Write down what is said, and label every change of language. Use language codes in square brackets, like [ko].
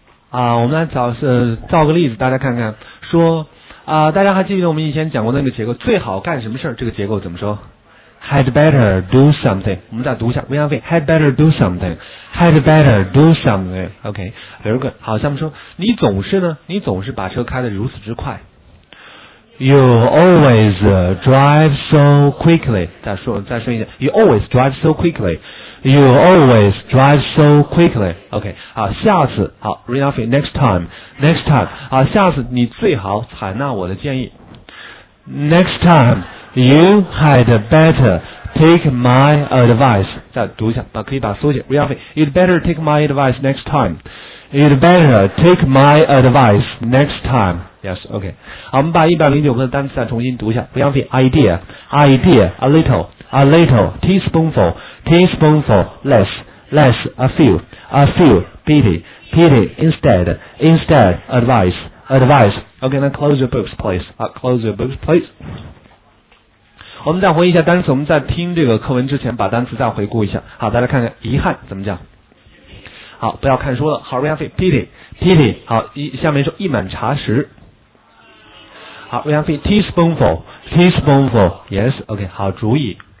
[zh] 啊，我们来造个例子，大家看看说。啊，大家还记得我们以前讲过那个结构，最好干什么事儿？这个结构怎么说 ？ [en] Had better do something。 [zh] 我们再读一下 [en] ，We have had better do something。 Had better do something。 OK， very good。 [zh] 好，下面说，你总是把车开得如此之快。 [en] You always drive so quickly。 [zh] 再说一下 [en] ，You always drive so quickly。 You always drive so quickly. [zh] OK， 好，下次好 ，Renafi， next time， 好，下次你最好采纳我的建议。 [en] Next time, you had better take my advice. [zh] 再读一下，把可以把缩写 [en] Renafi， you'd better take my advice next time. You'd better take my advice next time. Yes, OK。 [zh] 好，我们把109个单词再重新读一下 ，Renafi， [en] idea, a little, teaspoonful. Teaspoonful, less, a few, pity, instead, advice. OK, then close your books, please. [zh] 我们再回忆一下单词，我们在听这个课文之前把单词再回顾一下。好，大家看看遗憾怎么讲。好，不要看书了。好 ,Ryan Fei, pity, 好，下面说一满茶匙。 [en] 好 ,Ryan Fei, teaspoonful, yes, OK, [zh] 好，主意。